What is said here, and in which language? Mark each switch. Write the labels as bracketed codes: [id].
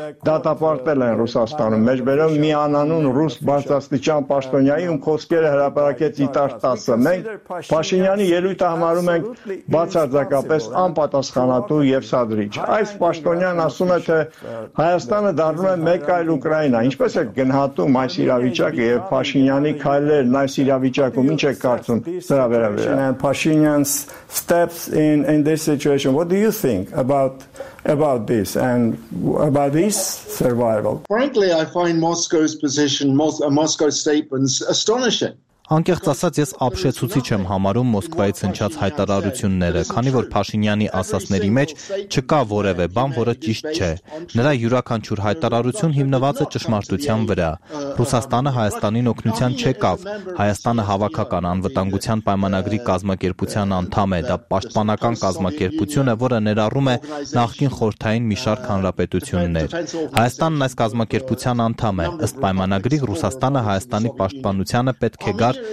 [hy] դատապարտել են Ռուսաստանում, մեջբերում մի անանուն ռուս բարձրաստիճան պաշտոնյայի, ում խոսքերը հրապարակեց իտար տասը։ Մենք Փաշինյանի ելույթը համարում ենք բացարձակապես անպատասխանատու և սադրիչ։ Այս պաշտոնյան ասում է, թե Հայաստանը դառնում է մեկ այլ Ուկրաինա։ Ինչպես է գնահատում այս իրավիճակը և Փաշինյանի քայլերն այս իրավիճակում, ինչ է կարծում սրա վերաբերյալ։ Situation. [en] What do you think about this and about this survival? Frankly, I find Moscow's position, Moscow's statements, astonishing. [hy] Անկեղծ ասած, ես ապշեցուցիչ եմ համարում Մոսկվայից հնչած հայտարարությունները, քանի որ Փաշինյանի ասացների մեջ չկա որևէ բան, որը ճիշտ չէ։ Նրա յուրաքանչյուր հայտարարություն հիմնված է ճշմարտության վրա։ Ռուսաստանը Հայաստանին օգնության չեկավ, Հայաստանը հավաքական անվտանգության պայմանագրի կազմակերպության անդամ է, դա պաշտպանական կազմակերպություն է, որը ներառում է նախկին խորհրդային մի շարք հանրապետություններ։ Հայաստանն այս կազմակերպության անդամ է, ըստ պայմանագրի Ռուսաստանը Հայաստանի պաշտպանությանը պետք է գար